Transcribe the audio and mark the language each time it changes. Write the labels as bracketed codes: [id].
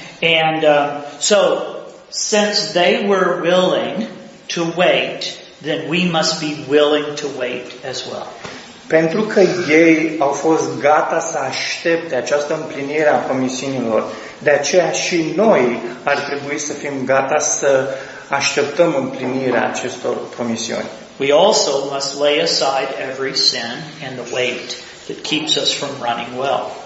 [en] And so since they were willing to wait, then we must be willing to wait as well. [ro] Pentru că ei au fost gata să aștepte această împlinire a promisiunilor, de aceea și noi ar trebui să fim gata să așteptăm împlinirea acestor promisiuni. [en] We also must lay aside every sin and the weight that keeps us from running well.